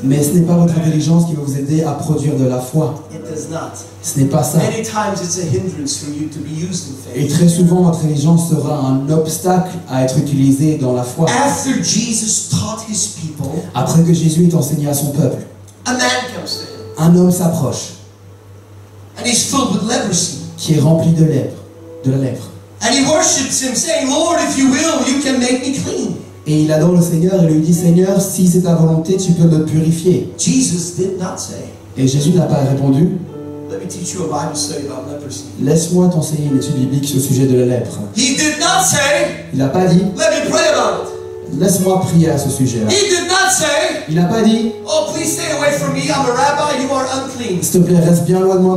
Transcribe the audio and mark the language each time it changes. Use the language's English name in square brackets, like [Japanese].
[French] Mais ce n'est pas votre intelligence qui va vous aider à produire de la foi. [English] It does not. [French] Ce n'est pas ça. [English] Many times it's a hindrance for you to be used in faith. [French] Et très souvent, votre intelligence sera un obstacle à être utilisé dans la foi. [English] After Jesus taught his people, [French] après que Jésus ait enseigné à son peuple, [English] a man comes in. [French] Un homme s'approche. [English] And he's filled with leprosy. [French] Qui est rempli de lèpre. De la lèpre. [English] And he worships him, saying, "Lord, if you will, you can make me clean." [French] Et il adore le Seigneur et lui dit, Seigneur, si c'est ta volonté, tu peux me purifier. [English] Jesus did not say. [French] Et Jésus n'a pas répondu. [English] Let me teach you a Bible study about leprosy. [French] Laisse-moi t'enseigner une étude biblique sur le sujet de la lèpre. [English] He did not say. [French] Il n'a pas dit. [English] Let me pray about it. [French] Laisse-moi prier à ce sujet-là. [English] He did not say. [French] Il n'a pas dit. [English] Oh, please stay away from me. I'm a rabbi. You are unclean. [French] S'il te plaît, reste bien loin de moi.